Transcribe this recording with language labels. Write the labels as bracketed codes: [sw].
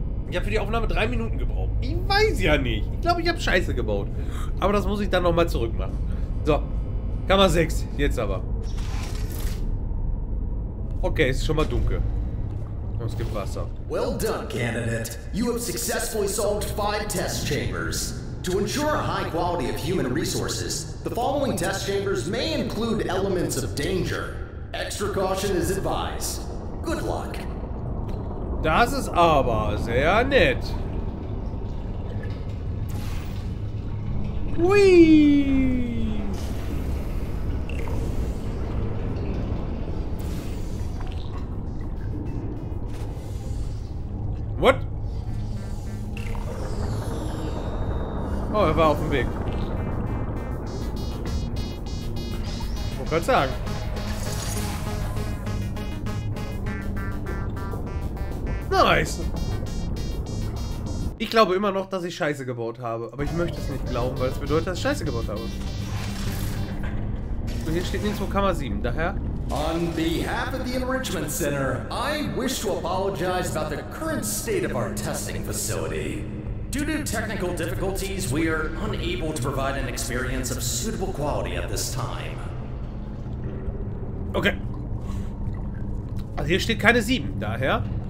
[de] Ich habe für die Aufnahme 3 Minuten gebraucht. Ich weiß ja nicht. Ich glaube, ich habe Scheiße gebaut. Aber das muss ich dann nochmal zurück machen. So, Kammer 6. Jetzt aber. Okay, es ist schon mal dunkel. Und es gibt Wasser. [en] Well done, Candidate. You have successfully solved 5 test chambers. To ensure a high quality of human resources, the following test chambers may include elements of danger. Extra caution is advised. Good luck. [de] Das ist aber sehr nett. Hui! [en] What? [de] Oh, er war auf dem Weg. Wo kann's sagen? Nice. Ich glaube immer noch, dass ich Scheiße gebaut habe. Aber ich möchte es nicht glauben, weil es bedeutet, dass ich Scheiße gebaut habe. Und hier steht nirgendwo Kammer 7, daher. [en] On behalf of the Enrichment Center, I wish to apologize about the current state of our testing facility. Due to technical difficulties, we are unable to provide an experience of suitable quality at this time. Okay. [de] Also hier steht keine 7, daher.